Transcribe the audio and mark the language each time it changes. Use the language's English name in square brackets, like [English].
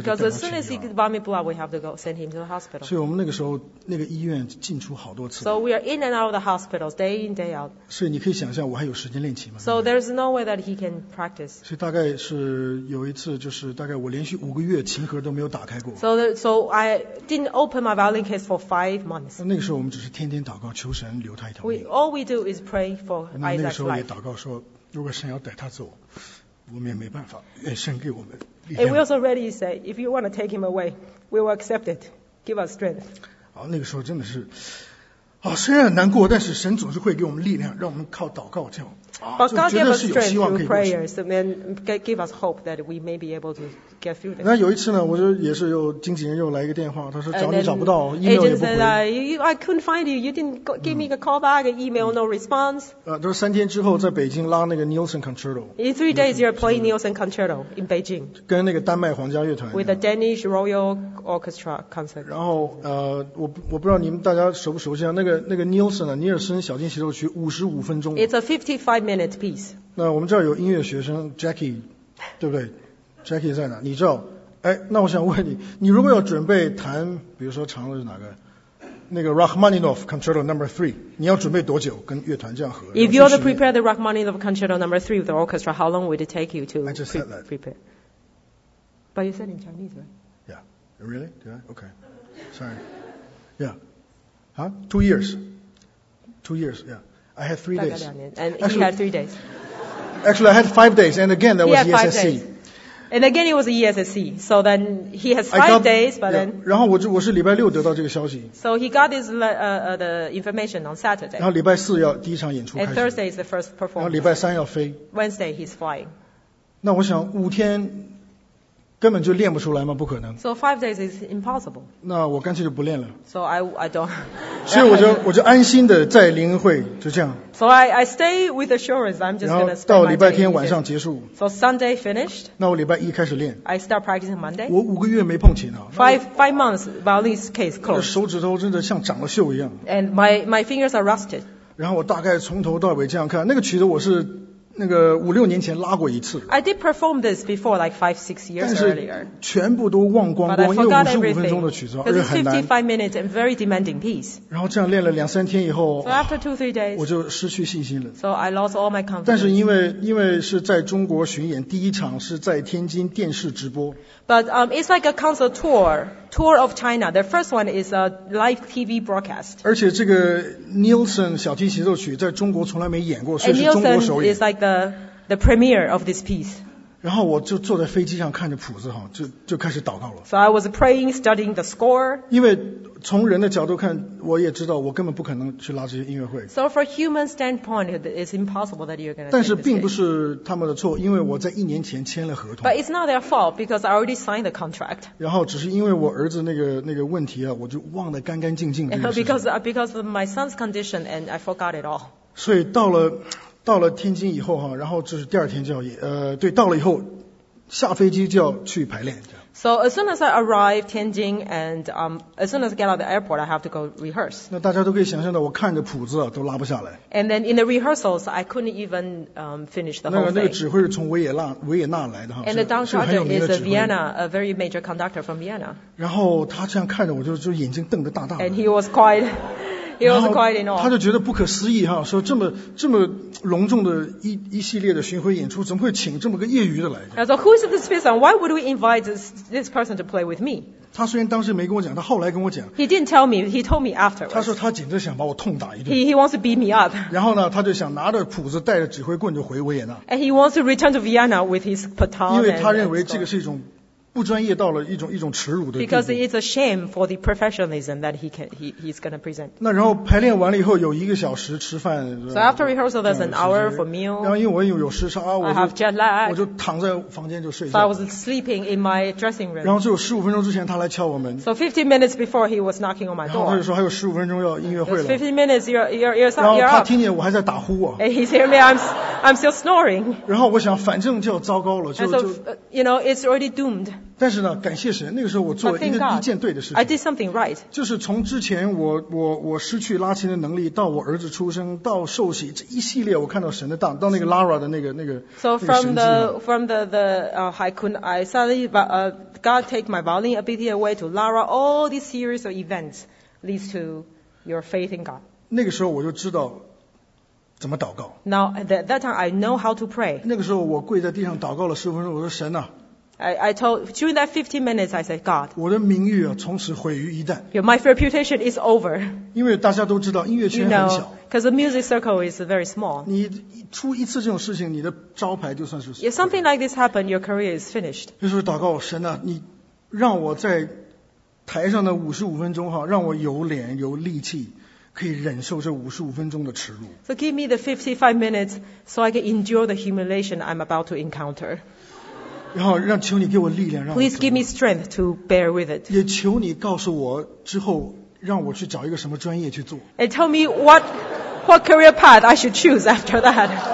[English] Because as soon as he vomit blood, we have to go send him to the hospital. [Chinese] 所以我们那个时候那个医院进出好多次。 [English] So we are in and out of the hospitals, day in, day out. [Chinese] 所以你可以想象我还有时间练琴吗 [English] ？So there's no way that he can practice. [Chinese] 所以大概是有一次，就是大概我连续五个月琴盒都没有打开过。 [English] So I didn't open my violin case for 5 months. [Chinese] 那个时候我们只是天天祷告，求神留他一条命。 [English] All we do is pray for Isaac's life. [Chinese] 那个时候也祷告说，如果神要带他走，我们也没办法，愿神给我们力量。 [English] And we also ready to say, if you want to take him away, we will accept it. Give us strength. [Chinese] 好，那个时候真的是，啊，虽然难过，但是神总是会给我们力量，让我们靠祷告这样。 [English] But God gave us strength through prayers, and gave us hope that we may be able to get through this. [Chinese] 那有一次呢，我就也是有经纪人又来一个电话，他说找你找不到 ，email 也不回。 [English] I couldn't find you. You didn't give me a call back, email, no response. [Chinese] 都是三天之后在北京拉那个 Nielsen Concerto. [English] In 3 days, you're playing Nielsen Concerto in Beijing. [Chinese] 跟那个丹麦皇家乐团。 [English] With a Danish Royal Orchestra concert. [Chinese] 然后我不知道你们大家熟不熟悉啊？那个 Nielsen 啊，尼尔森小提琴协奏曲55分钟。 [English] It's a 55 minute piece. [Chinese] 那我们这儿有音乐学生 Jackie， 对不对 ？Jackie 在哪？你知道？哎，那我想问你，你如果要准备弹，比如说长的是哪个？那个 Rachmaninoff Concerto No. 3， 你要准备多久？跟乐团这样合 [English] ？If you're to prepare the Rachmaninoff Concerto No. 3 with the orchestra, how long would it take you to prepare? I just said that. Prepare. But you said in Chinese, right? Yeah. Really? Did I? Okay. Sorry. Yeah. Huh? 2 years. 2 years. Yeah. I had 3 days. And he had 3 days. Actually, I had 5 days. And again, that was ESSC. And again, it was ESSC. So then he has five days, but then. [Chinese] 然后我是礼拜六得到这个消息。 [English] So he got this the information on Saturday. [Chinese] 然后礼拜四要第一场演出开始。 [English] And Thursday is the first performance. [Chinese] 然后礼拜三要飞。 [English] Wednesday he's flying. [Chinese] 那我想五天根本就练不出来吗？不可能。 [English] So 5 days is impossible. [Chinese] 那我干脆就不练了。 [English] So I don't. [Chinese] 所以我就安心的在灵会就这样。 [English] So I stay with assurance. I'm just gonna. [Chinese] 然后到礼拜天晚上结束。 [English] So Sunday finished. [Chinese] 那我礼拜一开始练。 [English] I start practicing Monday. [Chinese] 我五个月没碰琴啊。 [English] Five months violin case closed. [Chinese] 手指头真的像长了锈一样。 [English] And my fingers are rusted. [Chinese] 然后我大概从头到尾这样看，那个曲子我是。那个五六年前拉过一次。 [English] I did perform this before, like 5-6 years earlier. [Chinese] 但是全部都忘光光，因为五十五分钟的曲子，而且很难。 [English] Because it's 55 minutes and very demanding piece. [Chinese] 然后这样练了两三天以后 [English] ，So after 2-3 days, [Chinese] 我就失去信心了。 [English] So I lost all my confidence. [Chinese] 但是因为是在中国巡演，第一场是在天津电视直播。 [English] But it's like a concert tour of China. The first one is a live TV broadcast. [Chinese] 而且这个 Nielsen 小提琴协奏曲在中国从来没演过，所以是中国首演。 [English] And Nielsen is like the premiere of this piece. [Chinese] 然后我就坐在飞机上看着谱子哈，就开始祷告了。 [English] So I was praying, studying the score. [Chinese] 因为从人的角度看，我也知道我根本不可能去拉这些音乐会。 [English] So from human standpoint, it's impossible that you're going to. [Chinese] 但是并不是他们的错，因为我在一年前签了合同。 [English] But it's not their fault because I already signed the contract. [Chinese] 然后只是因为我儿子那个问题啊，我就忘得干干净净。 [English] Because of my son's condition and I forgot it all. [Chinese] 所以到了天津以后哈，然后就是第二天就要对，到了以后下飞机就要去排练。 [English] So as soon as I arrive Tianjin and as soon as I get out of the airport, I have to go rehearse. [Chinese] 那大家都可以想象到，我看着谱子啊都拉不下来。 [English] And then in the rehearsals, I couldn't even finish the whole thing. [Chinese] 那个指挥是从维也纳来的哈。 [English] And the conductor is a Vienna, a very major conductor from Vienna. [Chinese] 然后他这样看着我就眼睛瞪得大大的。 [English] And he was quite. He was quite in awe. [Chinese] 他就觉得不可思议哈，说这么隆重的一系列的巡回演出，怎么会请这么个业余的来？他说 [English] Who is this person? Why would we invite this person to play with me? [Chinese] 他虽然当时没跟我讲，他后来跟我讲。 [English] He didn't tell me. He told me afterwards. [Chinese] 他说他简直想把我痛打一顿。 [English] He wants to beat me up. [Chinese] 然后呢，他就想拿着谱子，带着指挥棍就回维也纳。 [English] And he wants to return to Vienna with his baton. [Chinese] 因为他认为这个是一种不专业到了一种耻辱的地步。 [English] Because it's a shame for the professionalism that he's going to present. [Chinese] 那然后排练完了以后有一个小时吃饭。 [English] So after rehearsal there's an hour for meal. [Chinese] 然后因为我有时差， [English] I have jet lag. [Chinese] 我就躺在房间就睡觉。 [English] So I was sleeping in my dressing room. [Chinese] 然后只有15分钟之前他来敲我们。 [English] So 15 minutes before he was knocking on my door. [Chinese] 然后他就说还有15分钟要音乐会了。 [English] 15 minutes you're up. [Chinese] 然后他听见我还在打呼啊。 [English] And he's hearing me, I'm still snoring. [Chinese] 然后我想反正就要糟糕了，就 [English] so, you know, it's already doomed. [Chinese] 但是呢，感谢神，那个时候我做了一件对的事情。 [English] I did something right. [Chinese] 就是从之前我失去拉琴的能力，到我儿子出生，到受洗这一系列，我看到神的当，到那个 Lara 的那个 [English] So from the I couldn't I suddenly but God take my violin ability away to Lara. All these series of events leads to your faith in God. [Chinese] 那个时候我就知道。怎么祷告 [English] ？Now at that time I know how to pray. [Chinese] 那个时候我跪在地上祷告了十分钟，我说神啊。 [English] I told during that 15 minutes I said God. [Chinese] 我的名誉啊从此毁于一旦。 [English] Yeah, my reputation is over. [Chinese] 因为大家都知道音乐圈很小。 [English] You know, because the music circle is very small. [Chinese] 你出一次这种事情，你的招牌就算是。 [English] If something like this happened, your career is finished. [Chinese] 那时候祷告神啊，你让我在台上的55分钟哈，让我有脸有力气。可以忍受这55分钟的耻辱。 [English] So give me the 55 minutes so I can endure the humiliation I'm about to encounter. [Chinese] 然后让求你给我力量，让我。 [English] Please give me strength to bear with it. [Chinese] 也求你告诉我之后让我去找一个什么专业去做。 [English] And tell me what career path I should choose after that.